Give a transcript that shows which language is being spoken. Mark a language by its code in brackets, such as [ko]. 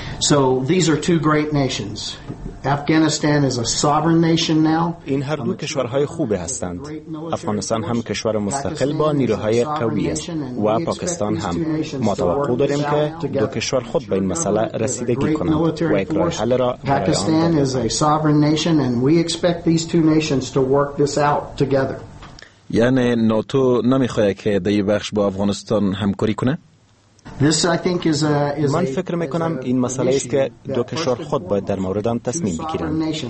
[en] So these are two great nations, Afghanistan is a sovereign nation now. [fa] این هر دو کشورهای خوبه هستند. افغانستان هم کشور مستقل با نیروهای قوی است و پاکستان هم. ما توقع داریم که دو کشور خود به این مسئله رسیدگی کنند و یک راه حل را برای آن. [en] Pakistan is a sovereign nation and we expect these two nations to work this out together. [fa] یعنی ناتو نمیخواد که در این بخش با افغانستان همکاری کنه؟ من فکر میکنم این مسئله است که دو کشور خود باید در مورد آن تصمیم بگیرند.